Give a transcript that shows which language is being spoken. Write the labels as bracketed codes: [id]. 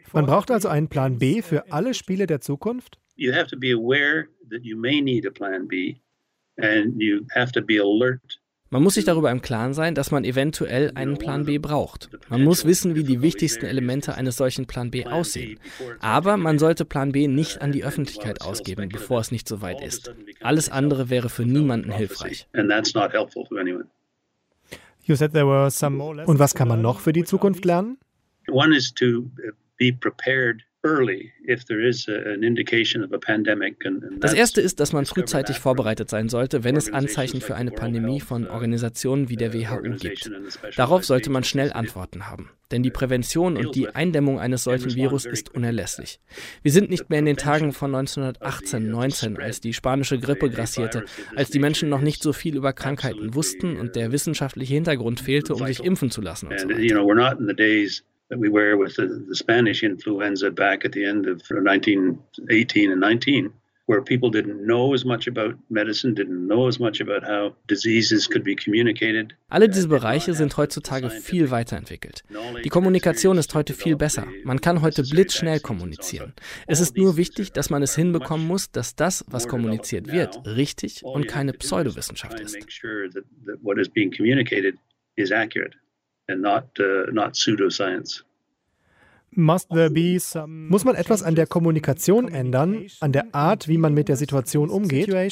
[de] Man braucht also einen Plan B für alle Spiele der Zukunft? [en] You have to be aware that you may need a plan B and you have to be alert. [de] Man muss sich darüber im Klaren sein, dass man eventuell einen Plan B braucht. Man muss wissen, wie die wichtigsten Elemente eines solchen Plan B aussehen. Aber man sollte Plan B nicht an die Öffentlichkeit ausgeben, bevor es nicht so weit ist. Alles andere wäre für niemanden hilfreich. Und was kann man noch für die Zukunft lernen? [en] One is to be prepared. [de] Das erste ist, dass man frühzeitig vorbereitet sein sollte, wenn es Anzeichen für eine Pandemie von Organisationen wie der WHO gibt. Darauf sollte man schnell Antworten haben. Denn die Prävention und die Eindämmung eines solchen Virus ist unerlässlich. Wir sind nicht mehr in den Tagen von 1918-19, als die spanische Grippe grassierte, als die Menschen noch nicht so viel über Krankheiten wussten und der wissenschaftliche Hintergrund fehlte, um sich impfen zu lassen und so weiter. [en] That we were with the Spanish influenza back at the end of 1918 and 19, where people didn't know as much about medicine, didn't know as much about how diseases could be communicated. [de] Alle diese Bereiche sind heutzutage viel weiterentwickelt. Die Kommunikation ist heute viel besser. Man kann heute blitzschnell kommunizieren. Es ist nur wichtig, dass man es hinbekommen muss, dass das, was kommuniziert wird, richtig und keine Pseudowissenschaft ist. [en] What is being communicated is accurate. And not pseudoscience. Must there be some? [de] Muss man etwas an der Kommunikation ändern, an der Art, wie man mit der Situation umgeht?